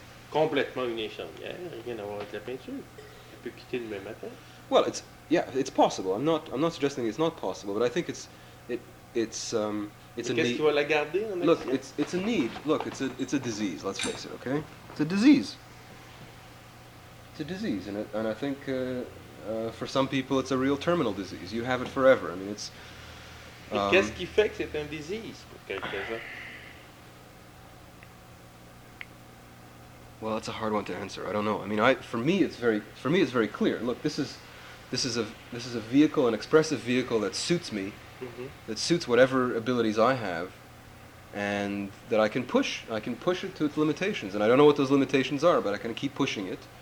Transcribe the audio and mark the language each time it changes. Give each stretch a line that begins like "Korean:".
French: complètement une infirmière, rien à voir avec la peinture. Elle peut quitter demain matin.
English: Well, it's possible. I'm not suggesting it's not possible, but I think it's a need.
French: Qu'est-ce qui va la garder?
English: Look, it's a need. Look, it's a disease. Let's face it, okay? It's a disease. It's a disease, and I think for some people it's a real terminal disease. You have it forever. I mean, it's.
French: Mais qu'est-ce qui fait que c'est un disease pour quelqu'un?
English: Well, it's a hard one to answer. I don't know. I mean, for me it's very clear. Look, this is a vehicle, an expressive vehicle that suits me, that suits whatever abilities I have, and that I can push. I can push it to its limitations, and I don't know what those limitations are, but I can keep pushing it.